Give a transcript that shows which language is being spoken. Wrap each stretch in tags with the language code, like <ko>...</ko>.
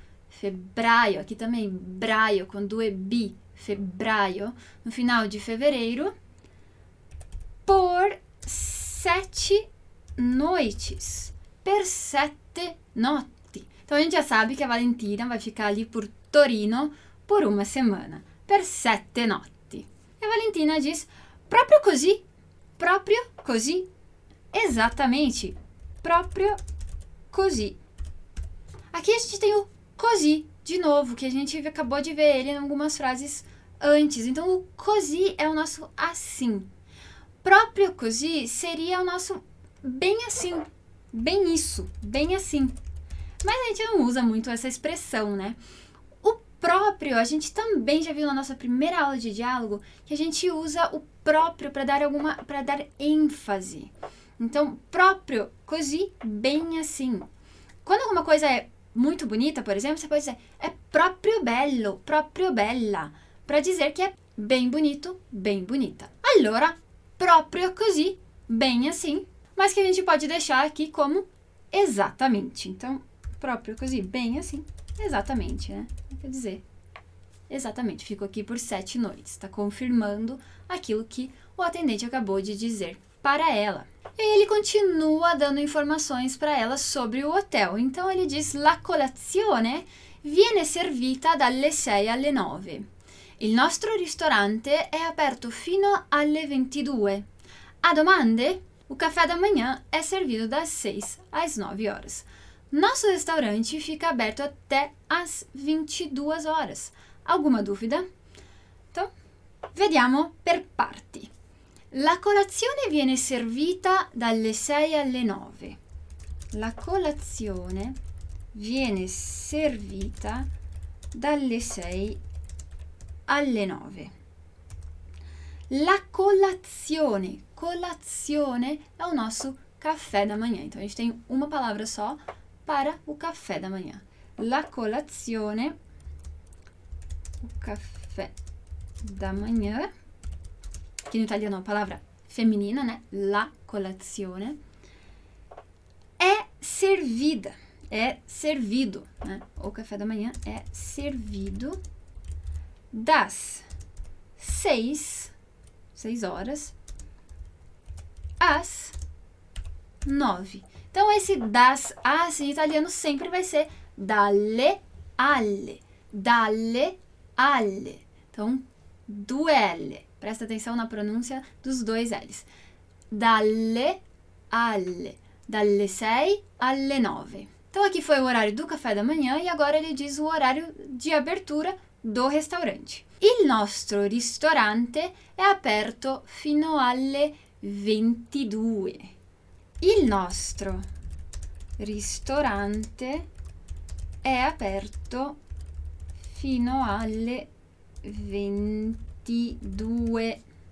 <pt>Febbraio, aqui também, braio, com 2 b, febbraio, no final de fevereiro, por 7 noites.</pt> <it>Per 7 notti.</it> <pt>Então, a gente já sabe que a Valentina vai ficar ali por Torino por uma semana.</pt> <it>Per 7 notti.</it> <pt>E a Valentina diz,</pt> <it>proprio così, proprio così. Exatamente, proprio così.</it> <pt>Aqui a gente tem o così de novo, que a gente acabou de ver ele em algumas frases antes. Então, o così é o nosso assim. Proprio così seria o nosso bem assim. Bem isso, bem assim. Mas a gente não usa muito essa expressão, né? O próprio, a gente também já viu na nossa primeira aula de diálogo que a gente usa o próprio para dar alguma, para dar ênfase. Então, próprio, così, bem assim. Quando alguma coisa é muito bonita, por exemplo, você pode dizer é</pt> <it>proprio bello, proprio bella,</it> <pt>para dizer que é bem bonito, bem bonita.</pt> <it>Allora, proprio così,</it> <pt>bem assim. Mas que a gente pode deixar aqui como exatamente. Então,</pt> <it>proprio così,</it> <pt>bem assim, exatamente, né? Quer dizer, exatamente, ficou aqui por 7 noites. Está confirmando aquilo que o atendente acabou de dizer para ela. E ele continua dando informações para ela sobre o hotel. Então, ele diz,</pt> <it>la colazione viene servita dalle 6 alle 9. Il nostro ristorante è aperto fino alle 22. A domande?</it> <pt>O café da manhã é servido das 6 às 9 horas. Nosso restaurante fica aberto até às 22 horas. Alguma dúvida?</pt> <it>Então, vediamo per parti. La colazione viene servita dalle 6 alle 9. La colazione viene servita dalle 6 alle 9. La colazione.</it> <pt>Colazione é o nosso café da manhã. Então, a gente tem uma palavra só para o café da manhã. La colazione, o café da manhã, que no italiano é uma palavra feminina, né? La colazione é servida, é servido, né? O café da manhã é servido das 6 horas, às 9. Então, esse das, as, em italiano, sempre vai ser dalle, alle. Dalle, alle. Então, 2 L. Presta atenção na pronúncia dos 2 L's. Dalle, alle.</pt> <it>Dalle 6 alle 9.</it> <pt>Então, aqui foi o horário do café da manhã e agora ele diz o horário de abertura do restaurante.</pt> <it>Il nostro ristorante è aperto fino alle 22. Il nostro ristorante è aperto fino alle 22.</it>